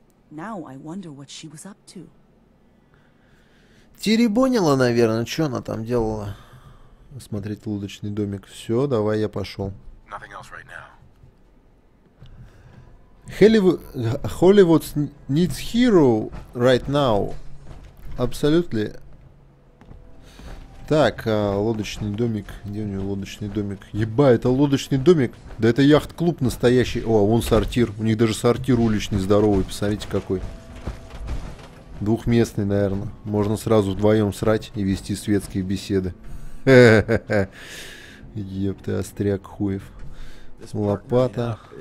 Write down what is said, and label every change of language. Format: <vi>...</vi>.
<en>Now I wonder what she was up to.</en> <ru>Теребонила, наверное, что она там делала? Смотреть лодочный домик. Все, давай, я пошел.</ru> <en>Nothing else right now. Hollywood needs hero right now. Absolutely.</en> <ru>Так, лодочный домик. Где у нее лодочный домик? Еба, это лодочный домик. Да это яхт-клуб настоящий. О, вон сортир. У них даже сортир уличный здоровый. Посмотрите какой. Двухместный, наверное. Можно сразу вдвоем срать и вести светские беседы. Еб ты, остряк хуев. Лопата.</ru>